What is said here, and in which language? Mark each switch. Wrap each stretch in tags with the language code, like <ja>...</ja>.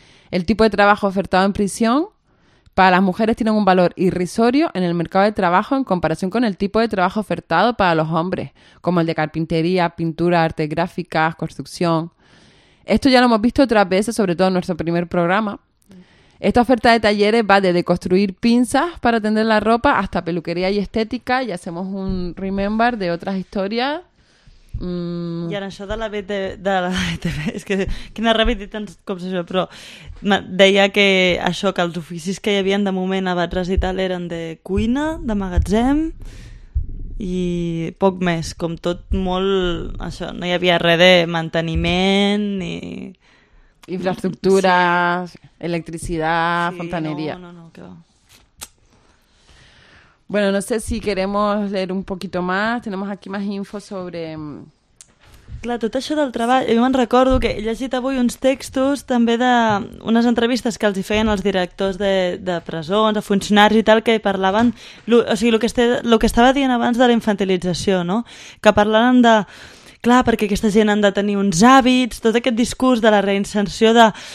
<es>El tipo de trabajo ofertado en prisión para las mujeres tiene un valor irrisorio en el mercado de trabajo en comparación con el tipo de trabajo ofertado para los hombres, como el de carpintería, pintura, artes gráficas, construcción. Esto ya lo hemos visto otras veces, sobre todo en nuestro primer programa. Esta oferta de talleres va desde construir pinzas para tender la ropa hasta peluquería y estética, y hacemos un remember de otras historias.</es> <ca>I ara això de la BTV, és que quina ràbia dir tants cops això, però deia que això, que els oficis que hi havia de moment a Batres i tal eren de cuina, de magatzem i poc més, com tot molt això, no hi havia res de manteniment ni infraestructura, sí. Electricitat, sí, fontaneria. No, que va.</ca> <es>Bueno, no sé si queremos leer un poquito más. Tenemos aquí más info sobre...</es> <ca>Clar, tot això del treball... Jo me'n recordo que he llegit avui uns textos també d'unes entrevistes que els hi feien els directors de presons, de funcionaris i tal, que parlaven... O sigui, el que estava dient abans de la infantilització, no? Que parlaven de... Clar, perquè aquesta gent han de tenir uns hàbits, tot aquest discurs de la reinserció de...</ca>